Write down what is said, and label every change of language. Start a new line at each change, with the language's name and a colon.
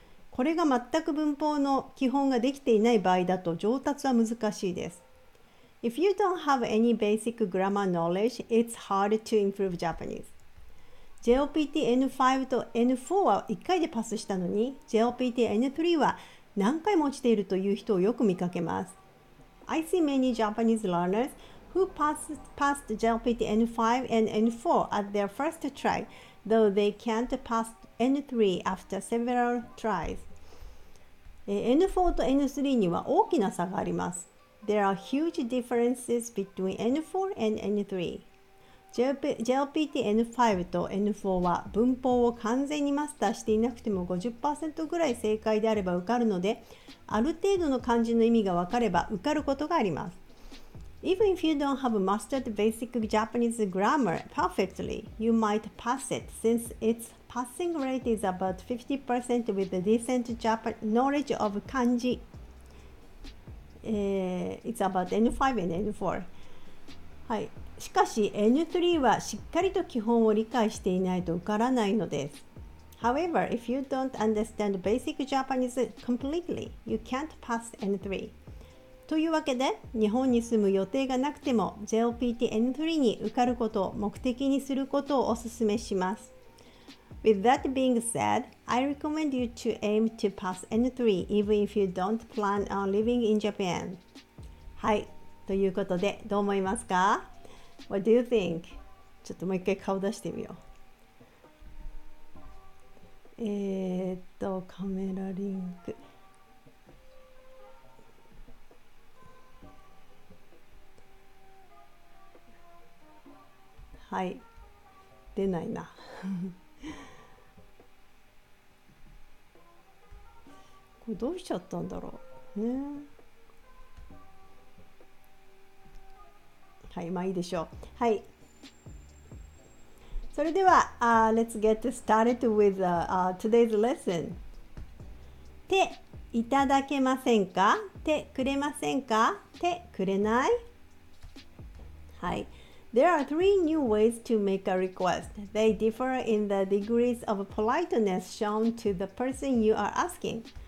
Japanese: これが全く文法の基本ができていない場合だと上達は難しいです。
English: If you don't have any basic grammar knowledge, it's hard to improve Japanese.
Japanese: JOPT N5 と N4 は1回でパスしたのに、JOPT N3 は何回も落ちているという人をよく見かけます。
English: I see many Japanese learners. Who passed JLPT N5 and N4 at their first try, though they can't pass N3 after several tries.
Japanese: N4 と N3 には大きな差があります。
English: There are huge differences between N4 and N3.
Japanese: JLPT N5 と N4 は文法を完全にマスターしていなくても 50% ぐらい正解であれば受かるので、ある程度の漢字の意味が分かれば受かることがあります。
English: Even if you don't have mastered basic Japanese grammar perfectly, you might pass it since its passing rate is about 50% with a decent knowledge of kanji. It's about N5 and N4.
Japanese: はい。しかし N3 はしっかりと基本を理解していないと受からないのです。
English: However, if you don't understand basic Japanese completely, you can't pass N3.
Japanese: というわけで、日本に住む予定がなくても JOPT N3 に受かることを目的にすることをお勧めします。
English: With that being said, I recommend you to aim to pass N3 even if you don't plan on living in Japan.
Japanese: はい、ということでどう思いますか?
English: What do you think?
Japanese: ちょっともう一回顔出してみよう。カメラリンク。はい、出ないな。これどうしちゃったんだろうね。はい、まあいいでしょう。はい、それでは、
English: Let's get started with today's lesson。
Japanese: ていただけませんか、てくれませんか、てくれない。
English: はい、There are three new ways to make a request. They differ in the degrees of politeness shown to the person you are asking.